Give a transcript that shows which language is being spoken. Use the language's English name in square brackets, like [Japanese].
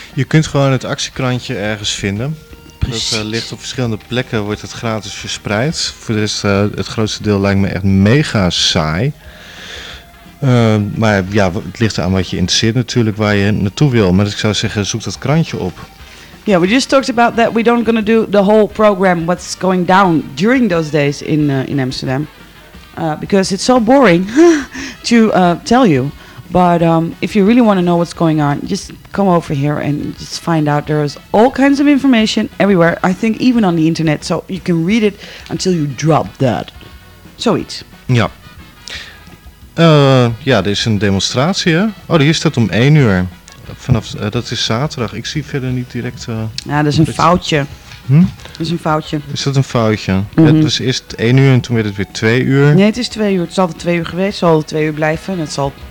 [Dutch] Je kunt gewoon het actiekrantje ergens vinden. Dat ligt op verschillende plekken, wordt het gratis verspreid. Voor de rest, het grootste deel lijkt me echt mega saai. Maar ja, het ligt aan wat je interesseert natuurlijk, waar je naartoe wil. Maar ik zou zeggen, zoek dat krantje op. [English] Yeah, we just talked about that. We don't gonna do the whole program, what's going down during those days in Amsterdam. Because it's so boring to tell you. But if you really want to know what's going on, just come over here and just find out. There is all kinds of information everywhere. I think even on the internet. So you can read it until you drop dead. [Dutch] Zoiets. Ja. Ja, er is een demonstratie, hè? Oh, die staat om 1 uur. Vanaf dat is zaterdag. Ik zie verder niet direct... Ja, dat is een foutje. Dat is een foutje. Is dat een foutje? Mm-hmm. Ja, het was eerst 1 uur en toen werd het weer 2 uur. Nee, het is 2 uur. Het is altijd 2 uur geweest. Het zal 2 uur blijven en het zal...